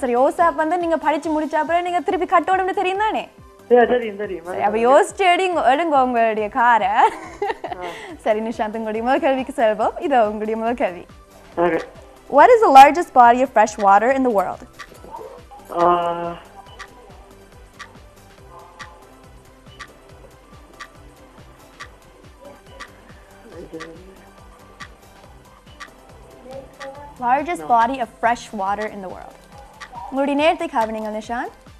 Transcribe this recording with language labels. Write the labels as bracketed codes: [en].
[ta] சரி, OSAP வந்து நீங்க படிச்சு முடிச்ச அப்புறம் நீங்க திருப்பி கட்டணும்னு தெரியும் தானே? உங்களுடைய காரை. சரி நிஷாந்த், உங்களுடைய முதல் கேள்விக்கு செல்வோம். இது உங்களுடைய முதல் கேள்வி. [en] What is the largest body of fresh water in the world? Is largest no. body of fresh water in the world? [ta] உங்களுடைய நேரத்தை காவ நீங்கள் நிஷாந்த்